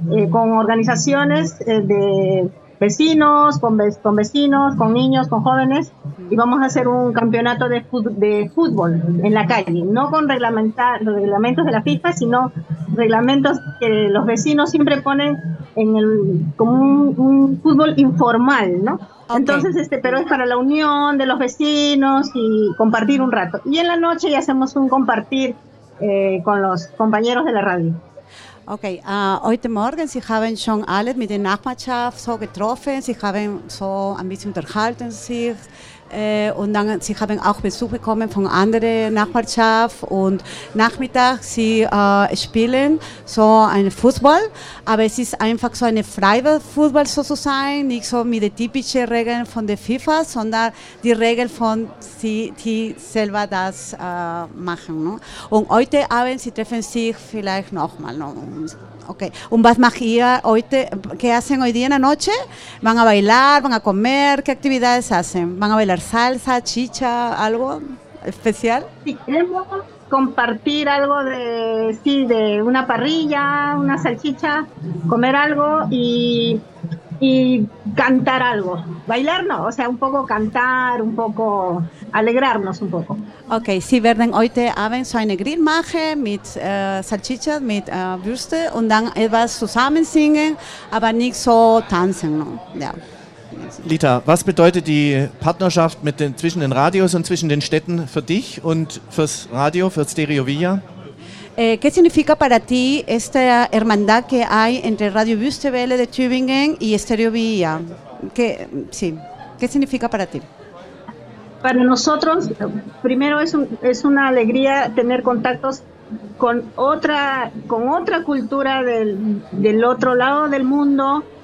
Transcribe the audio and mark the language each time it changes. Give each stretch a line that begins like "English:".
Spanish: con organizaciones de vecinos, con vecinos, con niños, con jóvenes, y vamos a hacer un campeonato de fútbol en la calle, no con reglamentos de la FIFA, sino reglamentos que los vecinos siempre ponen en el como un fútbol informal, ¿no? Okay. Entonces, pero es para la unión de los vecinos y compartir un rato. Y en la noche ya hacemos un compartir con los compañeros de la radio.
German: Okay, heute Morgen, Sie haben schon alle mit der Nachbarschaft so getroffen, Sie haben so ein bisschen unterhalten sich, und dann, Sie haben auch Besuch bekommen von anderen Nachbarschaft, und Nachmittag, Sie spielen so ein Fußball, aber es ist einfach so ein Freiwillig-Fußball sozusagen, nicht so mit den typischen Regeln von der FIFA, sondern die Regeln von Sie, die selber das machen. No? Und heute Abend, Sie treffen sich vielleicht nochmal. No? Okay. Und was macht ihr heute?
Spanish: ¿Qué hacen hoy día en la noche? ¿Van a bailar? ¿Van a comer? ¿Qué actividades hacen? ¿Van a bailar salsa, chicha, algo especial? Sí, queremos compartir algo de una parrilla, una salchicha, comer algo, y y cantar algo. Bailar no, o sea, un poco cantar, un poco alegrarnos un poco.
German: Okay, Sie werden heute Abend so eine Grillmache mit Salchichas, mit Würste und dann etwas zusammen singen, aber nicht so tanzen. No? Ja. Lita, was bedeutet die Partnerschaft mit den, zwischen den Radios und zwischen den Städten für dich und fürs Radio, für Stereo Villa?
Spanish: ¿Qué significa para ti esta hermandad que hay entre Radio Wüstewelle de Tübingen y Stereo Villa? ¿Qué, sí, qué significa para ti? Para nosotros, primero es, un, es una alegría tener contactos con otra cultura del, del otro lado del mundo.